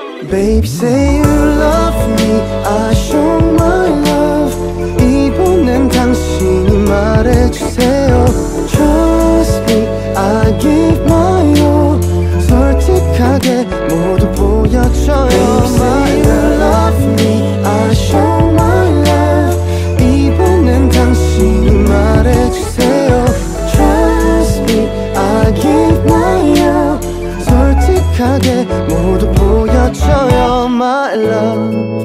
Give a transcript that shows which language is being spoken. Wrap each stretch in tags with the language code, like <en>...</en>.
<en>Baby say you love me, I show my love.</en> <ko>이번엔 당신이 말해주세요.</ko> <en>Trust me, I give my love.</en> <ko>솔직하게 모두 보여줘요.</ko> <en>Baby say you love me, I show my love.</en> <ko>이번엔 당신이 말해주세요.</ko> <en>Trust me, I give my love.</en> <ko>솔직하게 모두 보여줘요 my love.</ko>